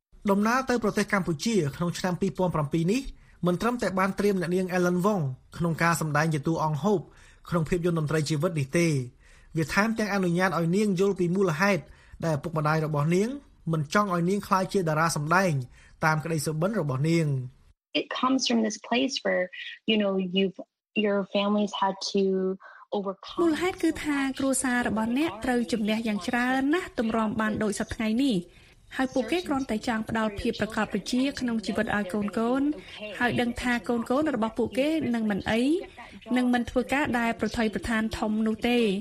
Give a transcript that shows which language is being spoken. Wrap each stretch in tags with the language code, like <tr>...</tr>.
<km>ដំណើរទៅប្រទេសកម្ពុជាក្នុងឆ្នាំ2007នេះមិនត្រឹមតែបានត្រៀមអ្នកនាង Alan Wong ក្នុងការសម្ដែងជាតួអង្គហូបក្នុងភាពយន្តតន្ត្រីជីវិតនេះទេវាថែមទាំងអនុញ្ញាតឲ្យនាងយល់ពីមូលហេតុដែលឪពុកម្ដាយរបស់នាងមិនចង់ឲ្យនាងក្លាយជាតារាសម្ដែងតាមក្តីសុបិនរបស់នាង</km> <en>It comes from this place where you know your family's had to overcome</en> <km>មូលហេតុគឺថាគ្រួសាររបស់អ្នកត្រូវជំនះយ៉ាងច្រើនណាស់ទម្រាំបានដូចសពថ្ងៃនេះហើយពួកគេគ្រាន់តែចង់ផ្ដល់ភាពប្រកបប្រជាក្នុងជីវិតឲ្យកូនកូនហើយដឹងថាកូនកូនរបស់ពួកគេនឹងមិនអីនឹងមិនធ្វើការដែលប្រថុយប្រឋានធំនោះទេ</km>